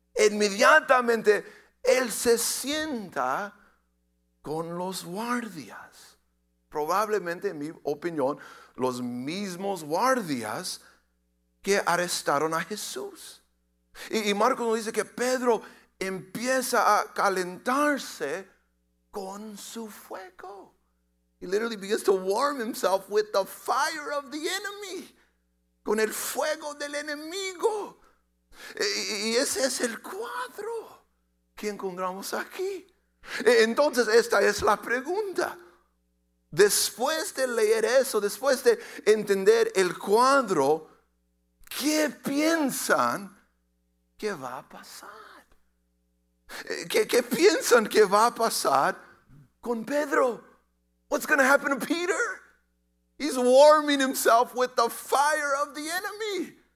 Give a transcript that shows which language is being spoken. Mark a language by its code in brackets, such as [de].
[es] Inmediatamente, él se sienta con los guardias. Probablemente, en mi opinión, los mismos guardias que arrestaron a Jesús. Y Marcos nos dice que Pedro empieza a calentarse con su fuego. [en] He literally begins to warm himself with the fire of the enemy. [es] Con el fuego del enemigo. Y ese es el cuadro que encontramos aquí. Entonces esta es la pregunta. Después de leer eso, después de entender el cuadro, ¿qué piensan que va a pasar? ¿Qué piensan que va a pasar con Pedro? [en] What's going to happen to Peter? He's warming himself with the fire of the enemy.